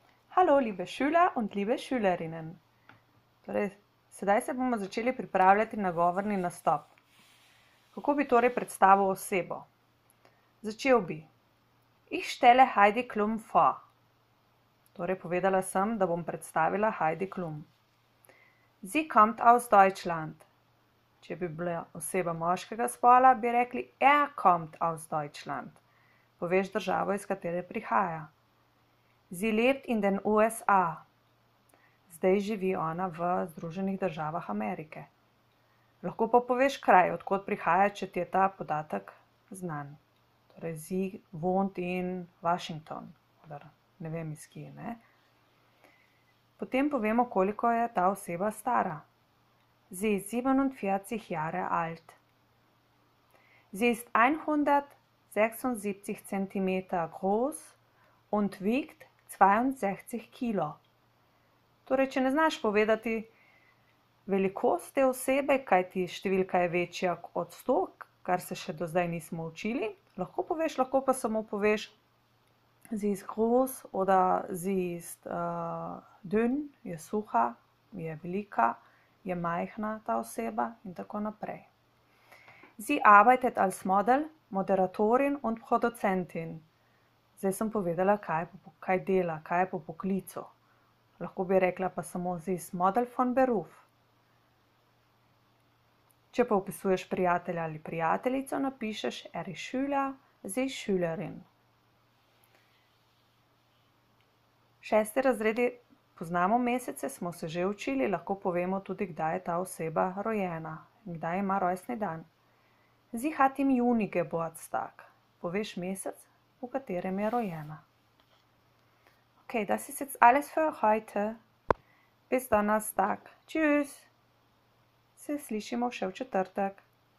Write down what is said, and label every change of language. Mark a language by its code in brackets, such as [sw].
[de] Hallo, liebe Schüler und liebe Schülerinnen. [sl] Torej, sedaj se bomo začeli pripravljati na govorni nastop. Kako bi torej predstavil osebo? Začel bi. [de] Ich stelle Heidi Klum vor. [sl] Torej, povedala sem, da bom predstavila Heidi Klum. [de] Sie kommt aus Deutschland. [sl] Če bi bila oseba moškega spola, bi rekli [de] kommt aus Deutschland. [sl] Poveš državo, iz katere prihaja. [de] Sie lebt in den USA. [sl] Zdaj živi ona v Združenih državah Amerike. Lahko pa poveš kraj, odkot prihaja, če ti je ta podatek znan. [de] Torej, sie wohnt in Washington. Oder, [sl] ne vem iz kje, ne? Potem povemo, koliko je ta oseba stara. [de] Sie ist 47 Jahre alt. Sie ist 176 cm groß und wiegt 62 kilo. [sl] Torej, če ne znaš povedati velikost te osebe, kaj ti številka je večja od 100, kar se še do zdaj nismo učili, lahko poveš, lahko pa samo poveš [de] sie ist groß oder sie ist dünn, [sl] je suha, je velika, je majhna ta oseba in tako naprej. [de] Sie arbeitet als Model, Moderatorin und Produzentin. [sl] Zdaj sem povedala, kaj dela, kaj je po poklicu. Lahko bi rekla pa samo [de] this model von Beruf. [sl] Če pa opisuješ prijatelja ali prijateljico, napišeš [de] Schüler, this Schülerin. [sl] Šesti razredi poznamo mesece, smo se že učili, lahko povemo tudi, kdaj je ta oseba rojena, kdaj ima rojstni dan. [de] Sie hat im Juni Geburtstag. [sl] Poveš mesec? V katerem je rojena. [de] Okay, das ist jetzt alles für heute. Bis Donnerstag. Tschüss. [sl] Se slišimo še v četrtek.